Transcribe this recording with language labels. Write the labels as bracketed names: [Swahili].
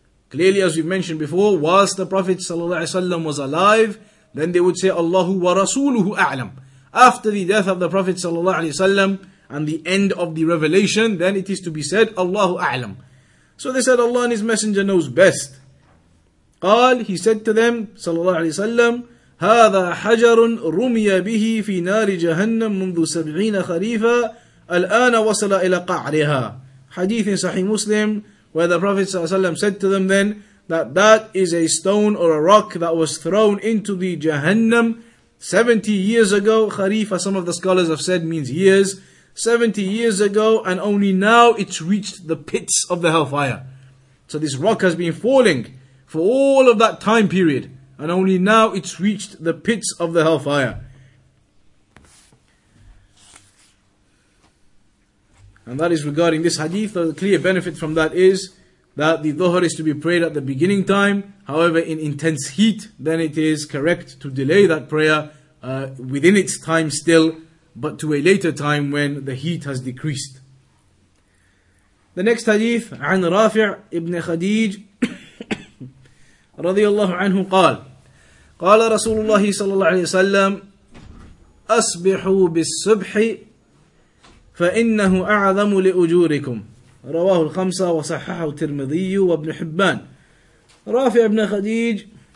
[English] Clearly, as we've mentioned before, whilst the Prophet ﷺ was alive, then they would say, [Arabic] Allahu wa rasuluhu a'lam. [English] After the death of the Prophet ﷺ and the end of the revelation, then it is to be said, Allahu a'lam. So they said, Allah and His Messenger knows best. [Arabic] قال, [English] he said to them, [Arabic] ﷺ, هذا حجر رمي به في نار جهنم منذ سبعين خريفا الآن وصل إلى قعرها. [English] Hadith in Sahih Muslim, where the Prophet ﷺ said to them then, that is a stone or a rock that was thrown into the Jahannam 70 years ago. Kharifa, some of the scholars have said, means years. 70 years ago, and only now it's reached the pits of the hellfire. So this rock has been falling for all of that time period, and only now it's reached the pits of the hellfire. And that is regarding this hadith. The clear benefit from that is that the dhuhr is to be prayed at the beginning time. However, in intense heat, then it is correct to delay that prayer within its time still, but to a later time when the heat has decreased. The next hadith, [Arabic] عن رافع ابن خديج رضي الله عنه قال قال رسول الله صلى الله عليه وسلم أصبحوا بالصبح فإنه أعظم لأجوركم رواه الخمسة وصححه الترمذي وابن حبان رافع بن خديج